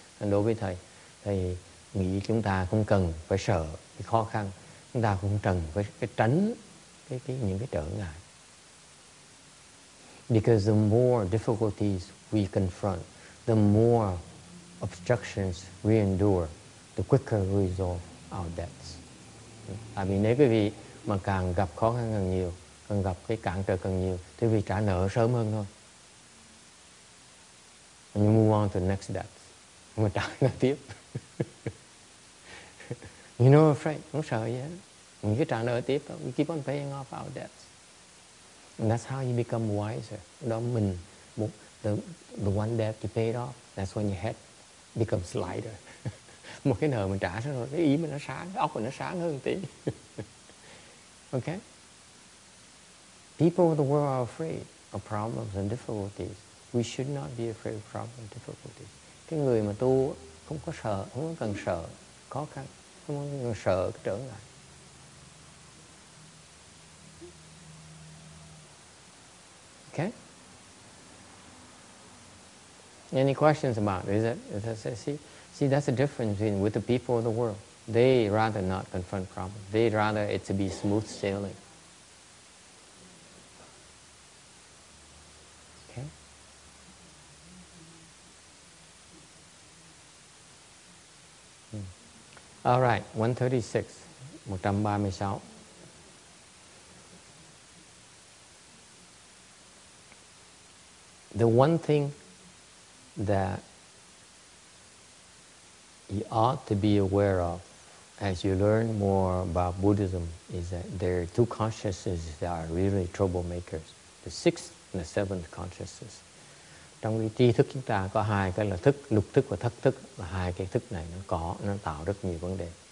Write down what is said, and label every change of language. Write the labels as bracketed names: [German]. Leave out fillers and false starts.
[Vietnamese] And đối với thầy, thầy nghĩ chúng ta không cần phải sợ cái khó khăn. Chúng ta không cần phải tránh những trở ngại. [English] Because the more difficulties we confront, the more obstructions we endure, the quicker we resolve our debts. [Vietnamese] Tại vì nếu quý vị mà càng gặp khó khăn càng nhiều, càng gặp cái cản trở càng nhiều, thì quý vị trả nợ sớm hơn thôi. [English] And you move on to the next debt. [Vietnamese] Mà trả nợ tiếp. [English] You're not afraid. [Vietnamese] Không sợ gì hết. Mình cứ trả nợ tiếp. [English] We keep on paying off our debts. And that's how you become wiser. [Vietnamese] Đó mình, [English] the one debt you paid off, that's when your head becomes lighter. [Vietnamese] Một cái nợ mình trả xong rồi, cái ý mình nó sáng, cái óc mình nó sáng hơn tí. [English] Okay? People of the world are afraid of problems and difficulties. We should not be afraid of problems and difficulties. [Vietnamese] Cái người mà tu không có sợ, không có cần sợ khó khăn, không có cần sợ trở ngại. [English] Okay? Any questions about it? See, that's the difference between with the people of the world. They rather not confront problems. They rather it to be smooth sailing. Okay? All right, 136. 136. The one thing that you ought to be aware of as you learn more about Buddhism is that there are two consciousnesses that are really troublemakers, the sixth and the seventh consciousness. [Vietnamese] Trong cái tri thức chúng ta có hai cái là thức, lục thức và thất thức, là hai cái thức này nó tạo rất nhiều vấn đề.